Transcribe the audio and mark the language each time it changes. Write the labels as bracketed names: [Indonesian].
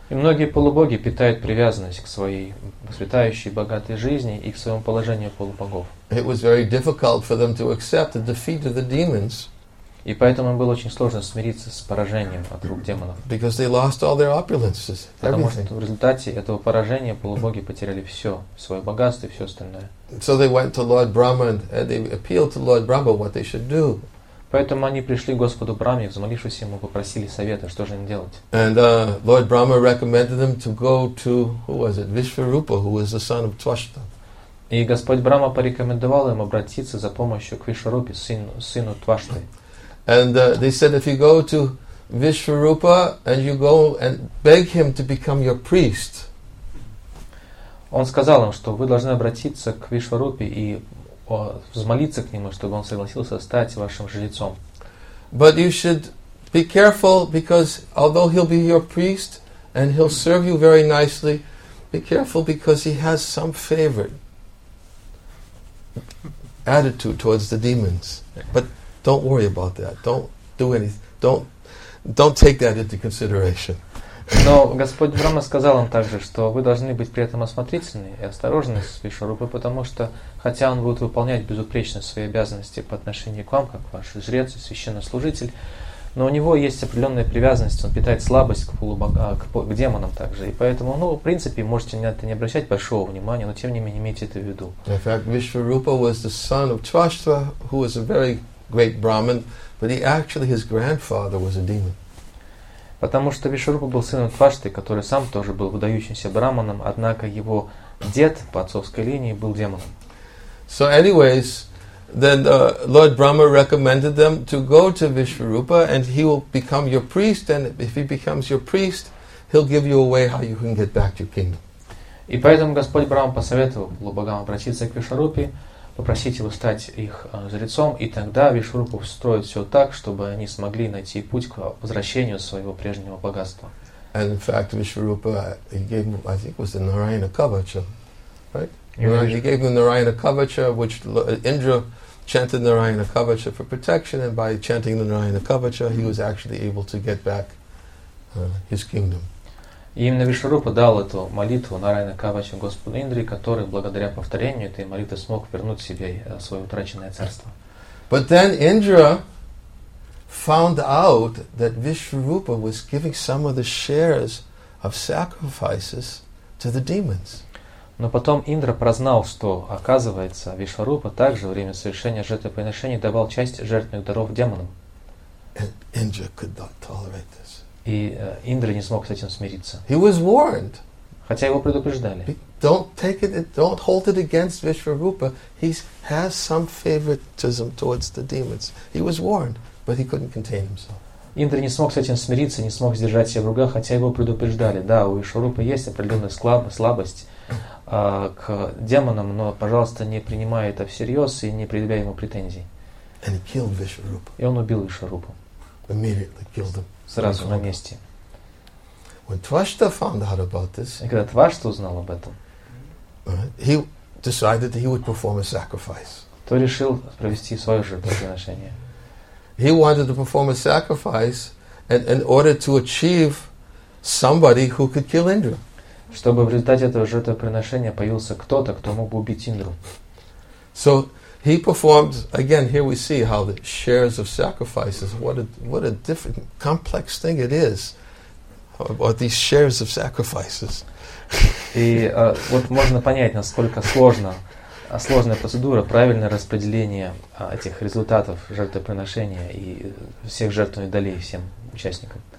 [Russian] И многие полубоги питают привязанность к своей процветающей богатой жизни и к своему положению полубогов. [English] It was very difficult for them to accept the defeat of the demons. [Russian] И поэтому им было очень сложно смириться с поражением от рук демонов. [English] Because they lost all their opulences. [Russian] Потому что в результате этого поражения полубоги потеряли все, свое богатство и все остальное. [English] So they went to Lord Brahma and they appealed to Lord Brahma what they should do. [Russian] Поэтому они пришли к Господу Брахме, взмолившись ему, попросили совета, что же им делать. [English] And Lord Brahma recommended them to go to, who was it, Vishvarupa, who was the son of Tvashta. [Russian] И Господь Брахма порекомендовал им обратиться за помощью к Вишварупе, сыну Тваштой. [English] And they said, if you go to Vishvarupa and you go and beg him to become your priest. [Russian] Он сказал им, что вы должны обратиться к Вишварупе и взмолиться к нему, чтобы он согласился стать вашим жрецом. [English] But you should be careful, because although he'll be your priest and he'll serve you very nicely, be careful because he has some favorite attitude towards the demons. But don't worry about that. Don't do anything. Don't take that into consideration. [Russian] Но Господь Брахма сказал им также, что вы должны быть при этом осмотрительны и осторожны с Вишварупой, потому что, хотя он будет выполнять безупречно свои обязанности по отношению к вам, как ваш жрец и священнослужитель, Но у него есть определенная привязанность, он питает слабость к полубогам, к демонам также. И поэтому, ну, в принципе, можете на это не обращать большого внимания, но тем не менее имейте это в виду. [English] In fact, Vishwarupa was the son of Tvashtra, who was a very great Brahmin, but he actually his grandfather was a demon. [Russian] Потому что Вишварупа был сыном Тваштры, который сам тоже был выдающимся браманом, однако его дед по отцовской линии был демоном. [English] So anyways, then Lord Brahma recommended them to go to Vishwarupa and he will become your priest, and if he becomes your priest, he'll give you a way how you can get back to your kingdom. [Russian] И поэтому Господь Брама посоветовал полубогам обратиться к Вишварупе, попросить его стать их жрецом, и тогда Вишварупа устроит все так, чтобы они смогли найти путь к возвращению своего прежнего богатства. [English] And in fact, Vishwarupa gave him, I think it was the Narayana Kavacha, right? He gave him Narayana Kavacha, which Indra chanted Narayana Kavacha for protection, and by chanting the Narayana Kavacha, he was actually able to get back his kingdom. [Russian] И именно Вишварупа дал эту молитву Нарайана Кавача Господу Индре, который благодаря повторению этой молитвы смог вернуть себе свое утраченное царство. [English] But then Indra found out that Vishwarupa was giving some of the shares of sacrifices to the demons. [Russian] Но потом Индра прознал, что, оказывается, Вишварупа также во время совершения жертвоприношений давал часть жертвенных даров демонам. [English] And Indra could not tolerate this. [Russian] И Индра не смог с этим смириться. [English] He was warned. [Russian] Хотя его предупреждали. [English] Don't take it, don't hold it against Vishwarupa. He has some favoritism towards the demons. He was warned, but he couldn't contain himself. [Russian] Индра не смог с этим смириться, не смог сдержать себя в руках, хотя его предупреждали. Да, у Вишварупы есть определенная слабость к демонам, но, пожалуйста, не принимай это всерьез и не предъявляй ему претензий. [English] And he killed Vishwarupa. [Russian] И он убил Вишварупу. [English] Immediately killed him. [Russian] Сразу на месте. [English] When Tvashtra found out about this, [Russian] и когда Тваштра узнал об этом, [English] he decided that he would perform a sacrifice. [Russian] То решил провести свое жертвоприношение. [English] He wanted to perform a sacrifice in order to achieve somebody who could kill Indra. [Russian] Чтобы в результате этого жертвоприношения появился кто-то, кто мог бы убить Индру. [English] So he performed again. Here we see how the shares of sacrifices. What a different, complex thing it is about these shares of sacrifices. [Russian] И вот можно понять, насколько сложная процедура, правильное распределение этих результатов жертвоприношения и всех жертвенных долей всем участникам.